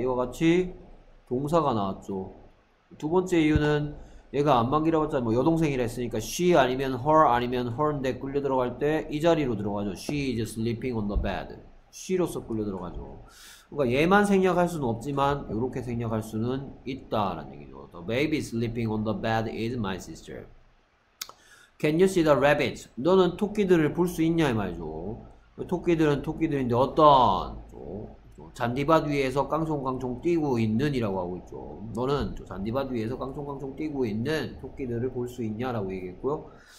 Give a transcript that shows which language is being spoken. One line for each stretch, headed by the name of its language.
Korean: 이와 같이 동사가 나왔죠. 두 번째 이유는 얘가 안만 길어봤자 뭐 여동생이라 했으니까 she 아니면 her 아니면 her인데 끌려 들어갈 때이 자리로 들어가죠.
English: She is sleeping on the bed.
Korean: she로서 끌려 들어가죠. 그러니까 얘만 생략할 수는 없지만 이렇게 생략할 수는 있다라는 얘기죠.
English: The baby sleeping on the bed is my sister. Can you see the rabbits?
Korean: 너는 토끼들을 볼수 있냐 이 말이죠. 토끼들은 토끼들인데 어떤 잔디밭 위에서 깡총깡총 뛰고 있는 이라고 하고 있죠. 너는 잔디밭 위에서 깡총깡총 뛰고 있는 토끼들을 볼수 있냐라고 얘기했고요.